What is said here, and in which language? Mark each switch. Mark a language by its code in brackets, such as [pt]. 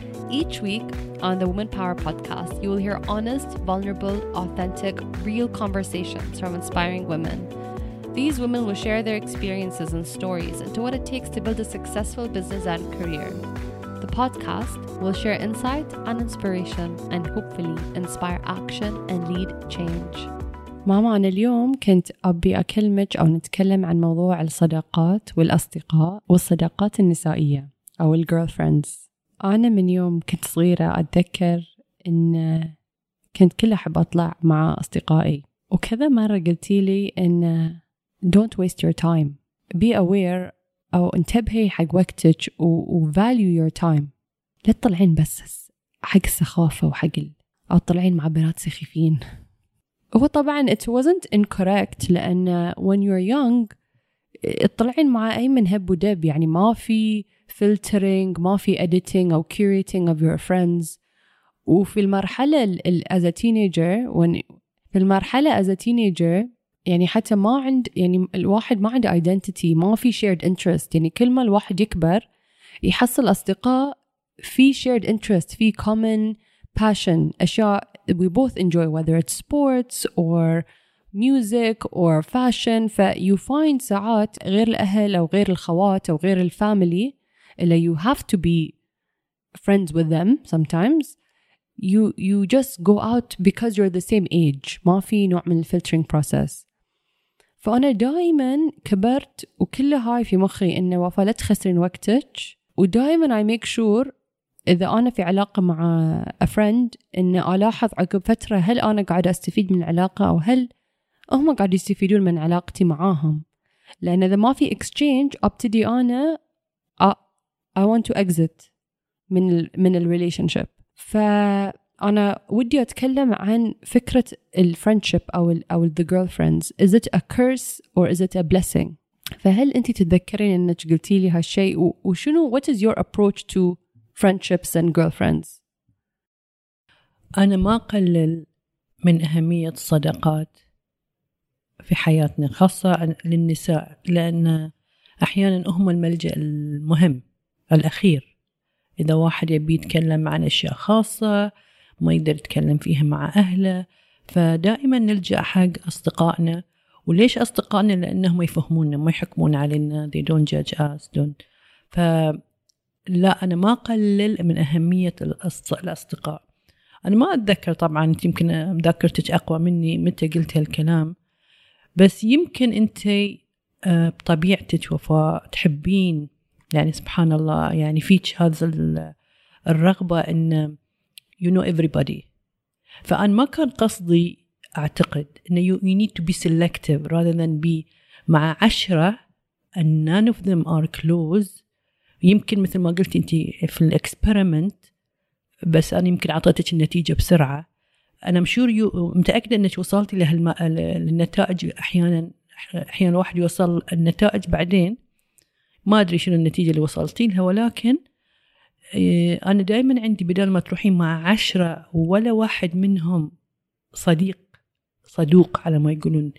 [en] Each week on the Woman Power Podcast, you will hear honest, vulnerable, authentic, real conversations from inspiring women. These women will share their experiences and stories into what it takes to build a successful business and career. The podcast will share insight and inspiration and hopefully inspire action and lead change. [ar] ماما أنا اليوم كنت أبي أكلمك أو نتكلم عن موضوع الصداقات والأصدقاء والصداقات النسائية أو الgirlfriends. أنا من يوم كنت صغيرة أتذكر إن كنت كل أحب أطلع مع أصدقائي وكذا مرة قلتي لي إن [en] don't waste your time, be aware [ar] أو انتبهي حق وقتك و [en] value your time. [ar] لا تطلعين بس حق السخافة وحق أو تطلعين مع بنات سخيفين. هو طبعا [en] it wasn't incorrect [ar] لأن [en] when you're young [ar] تطلعين مع أي من هب ودب, يعني ما في filtering, ما في editing أو [en] curating of your friends. [ar] وفي المرحلة [en] as a teenager, when [ar] في المرحلة [en] as a teenager [ar] يعني حتى ما عند يعني الواحد ما عنده identity, ما في [en] shared interest. [ar] يعني كل ما الواحد يكبر يحصل أصدقاء في [en] shared interest, في common passion, أشياء we both enjoy, whether it's sports or music or fashion. ف you find [ar] ساعات غير الأهل أو غير الخوات أو غير الفاميلي اللي [en] you have to be friends with them sometimes, you just go out because you're the same age. [ar] ما في نوع من الفلترينج بروسيس. فأنا دائما كبرت وكل هاي في مخي إنه وفا لا تخسرين وقتك, ودائما [en] I make sure [ar] إذا أنا في علاقة مع [en] a friend [ar] إن ألاحظ عقب فترة هل أنا قاعد أستفيد من العلاقة أو هل هم قاعد يستفيدون من علاقتي معاهم. لأن إذا ما في exchange أبتدي أنا [en] I want to exit [ar] من ال relationship. فأنا ودي أتكلم عن فكرة ال friendship أو [en] the girlfriends. Is it a curse or is it a blessing؟ [ar] فهل أنت تتذكرين أنك قلتي لي هالشيء وشنو [en] what is your approach to friendships and girlfriends؟ [ar] أنا ما أقلل من أهمية الصداقات في حياتنا خاصة للنساء, لأن أحياناً هم الملجأ المهم الأخير إذا واحد يبي يتكلم عن أشياء خاصة ما يقدر يتكلم فيها مع أهله, فدائماً نلجأ حق أصدقائنا. وليش أصدقائنا؟ لأنهم يفهموننا, ما يحكمون علينا, [en] they don't judge us, don't. [ar] لا أنا ما أقلل من أهمية الأصدقاء. أنا ما أتذكر طبعاً, يمكن ذاكرتك أقوى مني متى قلت هالكلام, بس يمكن أنت بطبيعتك وفاء تحبين, يعني سبحان الله, يعني فيك هذا الرغبة أن [en] you know everybody. [ar] فأنا ما كان قصدي أعتقد أن [en] you need to be selective rather than be [ar] مع عشرة [en] and none of them are close. [ar] يمكن مثل ما قلت انت في الاكسبيرمنت, بس انا يمكن اعطيتك النتيجه بسرعه. انا مشور متاكده انك وصلتي للنتائج. احيانا الواحد يوصل النتائج بعدين, ما ادري شنو النتيجه اللي وصلتي لها, ولكن انا دائما عندي بدل ما تروحين مع عشرة ولا واحد منهم صديق صدوق على ما يقولون.